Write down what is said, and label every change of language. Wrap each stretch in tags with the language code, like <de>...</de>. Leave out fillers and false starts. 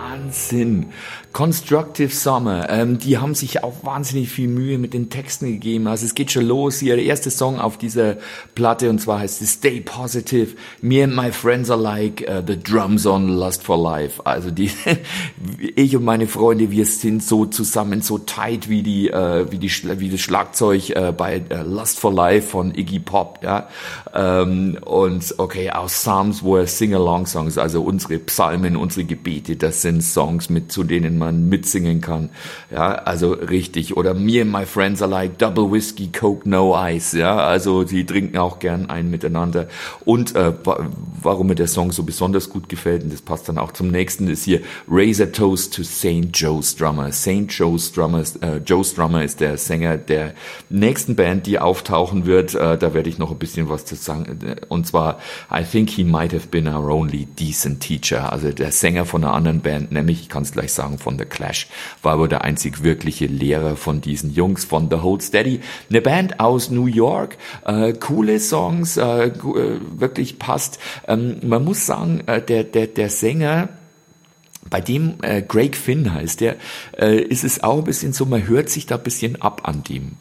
<de>Sinn. Constructive Summer. Die haben sich auch wahnsinnig viel Mühe mit den Texten gegeben. Also es geht schon los. Hier der erste Song auf dieser Platte und zwar heißt es Stay Positive.</de> <en>Me and my friends are like the drums on Lust for Life.</en> <de>Also die, ich und meine Freunde, wir sind so zusammen, so tight wie die, wie das Schlagzeug bei Lust for Life von Iggy Pop. Ja. Und okay,</de> <en>our Psalms were sing-along songs.</en> <de>Also unsere Psalmen, unsere Gebete, das sind Songs. Songs mit, zu denen man mitsingen kann. Ja, also richtig. Oder</de> <en>Me and My Friends Are Like Double Whiskey, Coke, No Ice.</en> <de>Ja, also die trinken auch gern einen miteinander. Und warum mir der Song so besonders gut gefällt, und das passt dann auch zum nächsten, ist hier Raise a Toast to St. Joe's Drummer. St. Joe's Drummer, Joe's Drummer ist der Sänger der nächsten Band, die auftauchen wird. Da werde ich noch ein bisschen was zu sagen. Und zwar,</de> <en>I think he might have been our only decent teacher.</en> <de>Also der Sänger von einer anderen Band, nämlich, ich kann es gleich sagen, von The Clash, war aber der einzig wirkliche Lehrer von diesen Jungs von The Hold Steady. Eine Band aus New York, coole Songs, wirklich passt. Man muss sagen, der Sänger, bei dem Greg Finn heißt der, ist es auch ein bisschen so, man hört sich da ein bisschen ab an dem.</de>